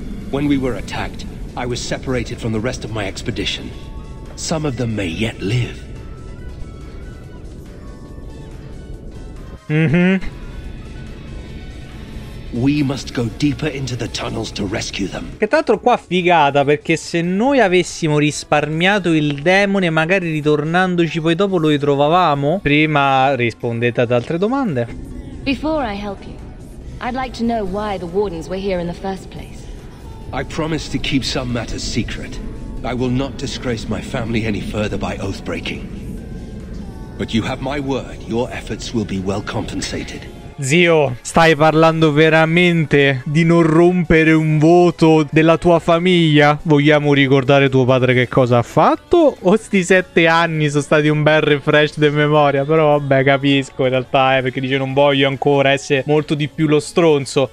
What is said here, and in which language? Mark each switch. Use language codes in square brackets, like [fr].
[en] When we were attacked, I was separated from the rest of my expedition. Some of them may yet live. Mm-hmm. We must go deeper into the tunnels to rescue them. [it] Che tanto qua figata, perché se noi avessimo risparmiato il demone, magari ritornandoci poi dopo lo ritrovavamo. Prima rispondete ad altre domande. [en] Before I help you, I'd like to know why the wardens were here in the first place. I promise to keep some matters secret. I will not disgrace my family any further by oath breaking. But you have my word, your efforts will be well compensated. [it] Zio, stai parlando veramente di non rompere un voto della tua famiglia? Vogliamo ricordare tuo padre che cosa ha fatto? O sti 7 anni sono stati un bel refresh di memoria? Però vabbè, capisco in realtà, perché dice non voglio ancora essere molto di più lo stronzo.